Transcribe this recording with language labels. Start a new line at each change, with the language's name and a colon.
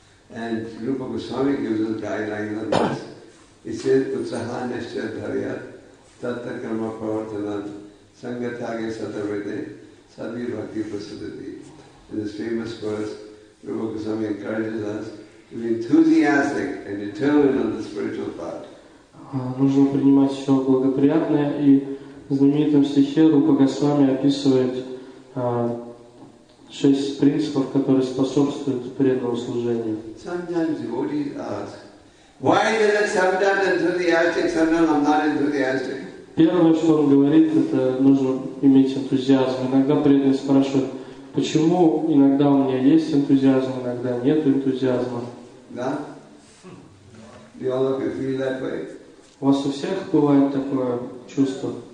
English: And Rupa Goswami gives us a guideline on this. He says, Utsaha Nishya Dharya Tatta Karma Pravartanam Sangatage Satavrite Sadhi Bhakti Prasadati. In this famous verse, Rupa Goswami encourages us to be enthusiastic and determined on the spiritual path.
Russian: Нужно принимать все благоприятное, и в знаменитом стихе Рупа Госвами описывает шесть принципов, которые способствуют преданному служению.
English: Sometimes devotees ask, why is it sometimes enthusiastic, sometimes I'm not enthusiastic?
Russian: Первое, что он говорит, это нужно иметь энтузиазм. Иногда преданные спрашивают, почему иногда у меня есть энтузиазм, иногда нет энтузиазма.
English: Да? Do you all feel that way?
Russian: У вас у всех бывает такое чувство?